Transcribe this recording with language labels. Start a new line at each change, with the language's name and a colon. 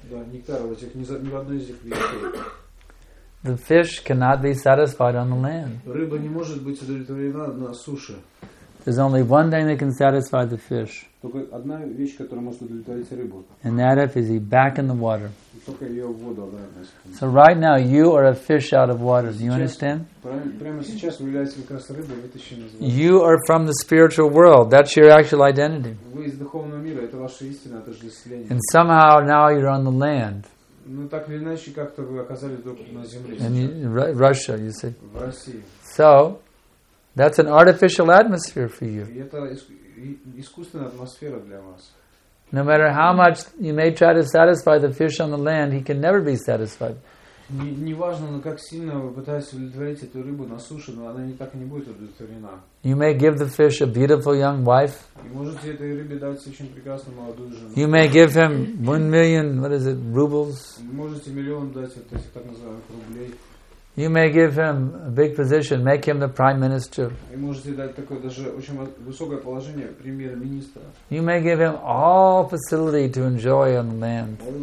Russian: Нектара в этих, ни в одной из них вещей.
English: The fish cannot be satisfied on the land.
Russian: Рыба не может быть удовлетворена на суше.
English: There's only one thing that can satisfy the fish.
Russian: Только одна вещь, которая может удовлетворить рыбу.
English: And that if is he back in the water.
Russian: Только ее в воду обратно.
English: So right now you are a fish out of water. Do you understand?
Russian: Прямо сейчас вы являетесь как раз рыбой, вытащенной из воды.
English: You are from the spiritual world. That's your actual identity.
Russian: Вы из духовного мира. Это ваше истинное отождествление.
English: And somehow now you're on the land.
Russian: Ну так или иначе как-то вы оказались вдруг на земле.
English: And Russia, you see.
Russian: В России.
English: So. That's an artificial atmosphere for you.
Russian: Это искусственная атмосфера для вас.
English: No matter how much you may try to satisfy the fish on the land, he can never be satisfied.
Russian: Не важно, но как сильно вы пытаетесь удовлетворить эту рыбу на суше, но она не так и не будет удовлетворена.
English: You may give the fish a beautiful young wife.
Russian: Вы можете этой рыбе дать очень прекрасную молодую жену.
English: You may give him 1 million, what is it, rubles?
Russian: Вы можете миллион дать это так называемых рублей.
English: You may give him a big position, make him the prime minister.
Russian: Вы можете дать такое даже очень высокое положение премьер-министра.
English: You may give him all facility to enjoy on the land.